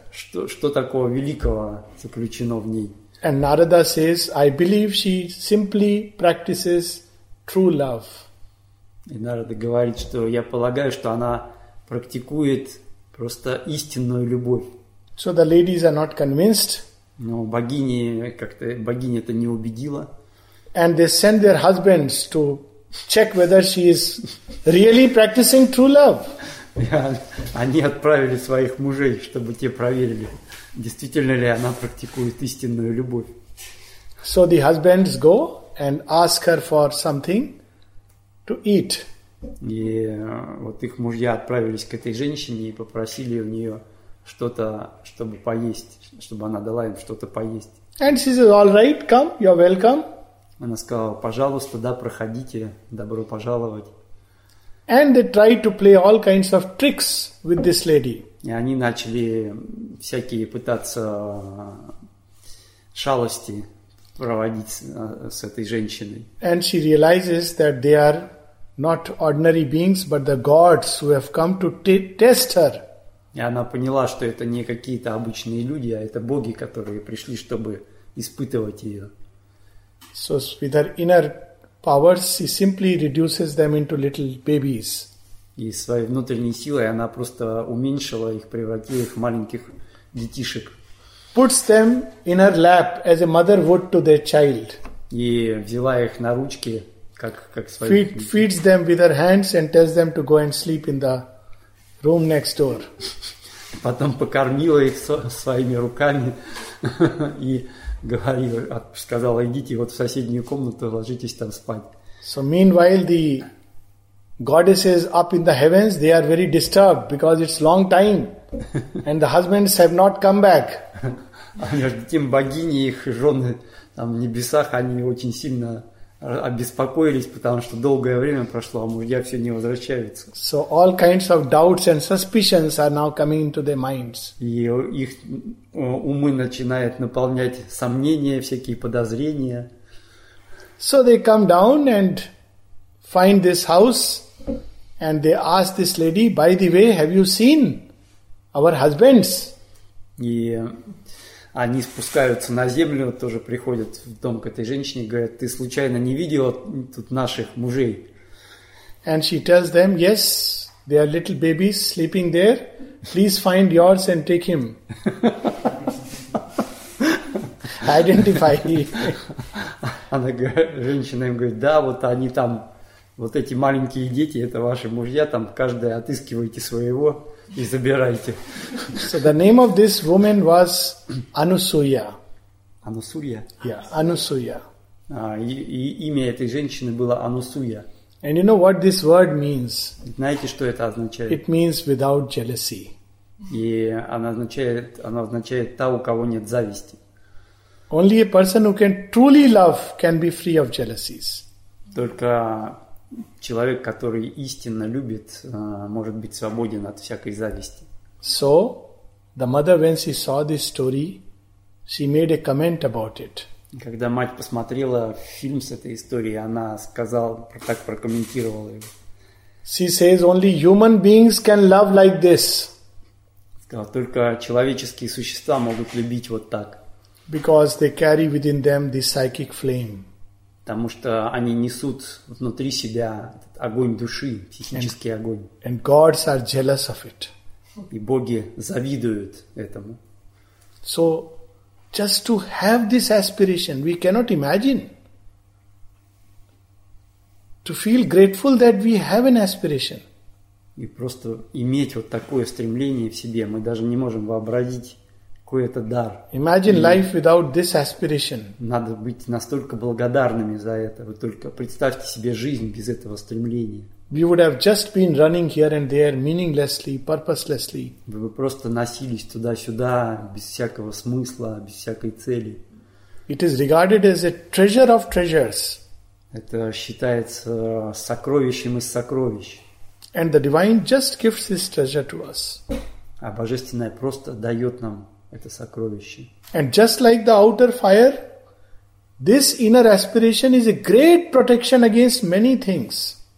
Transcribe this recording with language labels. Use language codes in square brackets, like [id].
[ru] Что такого великого заключено в ней? [en] And Narada says, I believe she simply practices true love. [ru] И Нарада говорит, что я полагаю, что она практикует просто истинную любовь. [en] So the ladies are not convinced. [ru] Но богиня это не убедила. [en] And they send their husbands to check whether she is really practicing true love. [ru] Они отправили своих мужей, чтобы те проверили, действительно ли она практикует истинную любовь. [en] So the husbands go and ask her for something to eat. [ru] И вот их мужья отправились к этой женщине и попросили у нее что-то, чтобы поесть, чтобы она дала им что-то поесть. [en] And she says, all right, come, you're welcome. [ru] Она сказала: пожалуйста, да, проходите, добро пожаловать. [en] And they tried to play all kinds of tricks with this lady. [ru] И они начали всякие пытаться шалости проводить с этой женщиной. [en] And she realizes that they are not ordinary beings, but the gods who have come to test her. [ru] И она поняла, что это не какие-то обычные люди, а это боги, которые пришли, чтобы испытывать ее. [en] So with her inner powers, she simply reduces them into little babies. [ru] И своей внутренней силой она просто уменьшила их, превратила их в маленьких детишек. [en] Puts them in her lap as a mother would to their child. [ru] И взяла их на ручки, как своих. [en] Feeds them with her hands and tells them to go and sleep in the room next door. [ru] Потом покормила их своими руками и говорила, сказала: идите вот в соседнюю комнату, ложитесь там спать. [en] So meanwhile the goddesses up in the heavens, they are very disturbed because it's long time and the husbands have not come back. [ru] А между тем богини, их жены там в небесах, они очень сильно обеспокоились, потому что долгое время прошло, а мужья все не возвращаются. [en] So all kinds of doubts and suspicions are now coming into their minds. [ru] И их умы начинают наполнять сомнения, всякие подозрения. [en] So they come down and find this house and they ask this lady, by the way, have you seen our husbands? [ru] И они спускаются на землю, тоже приходят в дом к этой женщине, говорят: ты случайно не видела тут наших мужей? [en] And she tells them, yes, they are little babies sleeping there. Please find yours and take him. Identify. [ru] Она говорит, женщина им говорит: да, вот они там, вот эти маленькие дети, это ваши мужья, там каждая отыскивайте своего. И забирайте. [en] So the name of this woman was Anusuya. Anusuya? Yeah, Anusuya. [ru] Имя этой женщины было Anusuya. [en] And you know what this word means? [ru] Знаете, что это означает? [en] It means without jealousy. [ru] И она означает та, у кого нет зависти. [en] Only a person who can truly love can be free of jealousies. [ru] Только человек, который истинно любит, может быть свободен от всякой зависти. [en] So, the mother, when she saw this story, she made a comment about it. [ru] Когда мать посмотрела фильм с этой историей, она сказала, так прокомментировала его. [en] She says, only human beings can love like this. [ru] Сказала, только человеческие существа могут любить вот так. [en] Because they carry within them the psychic flame. [ru] Потому что они несут внутри себя этот огонь души, психический огонь. [en] And gods are jealous of it. [ru] И боги завидуют этому. [en] So, just to have this aspiration, we cannot imagine. To feel grateful that we have an aspiration. [ru] И просто иметь вот такое стремление в себе, мы даже не можем вообразить, какой это дар. [en] Imagine life without this aspiration. [ru] Надо быть настолько благодарными за это. Вы только представьте себе жизнь без этого стремления. [en] We would have just been running here and there meaninglessly, purposelessly. [ru] Вы бы просто носились туда-сюда без всякого смысла, без всякой цели. [en] It is regarded as a treasure of treasures. [ru] Это считается сокровищем из сокровищ. [en] And the divine just gives this treasure to us. [ru] А божественное просто дает нам это сокровище. [en] And just like the outer fire, this inner aspiration is a great protection against many things.